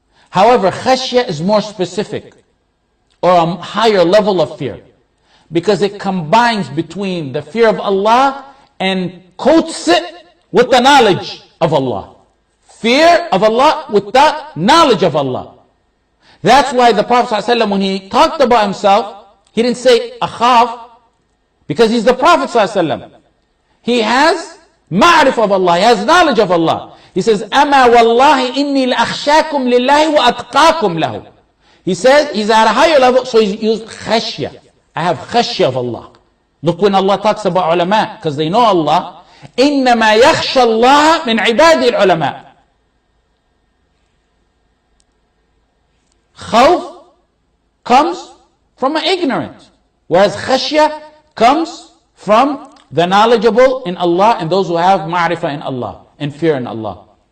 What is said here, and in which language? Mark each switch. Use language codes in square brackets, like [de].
[en] However, khashya is more specific, or a higher level of fear, because it combines between the fear of Allah and coats it with the knowledge of Allah. Fear of Allah with the knowledge of Allah. That's why the Prophet ﷺ, when he talked about himself, he didn't say akhaf, because he's the Prophet ﷺ. He has ma'rif of Allah, he has knowledge of Allah. [ar] He says, أَمَا وَاللَّهِ إِنِّي لَأَخْشَاكُمْ لِلَّهِ وَأَتْقَاكُمْ لَهُ. [en] He says, he's at a higher level, so he used khashya. I have khashya of Allah. Look when Allah talks about ulama, because they know Allah. [ar] إِنَّمَا يَخْشَى اللَّهَ مِنْ عِبَادِ الْعُلَمَاءِ. [en] Khawf comes from an ignorant, whereas khashya comes from the knowledgeable in Allah and those who have ma'rifah in Allah and fear in Allah.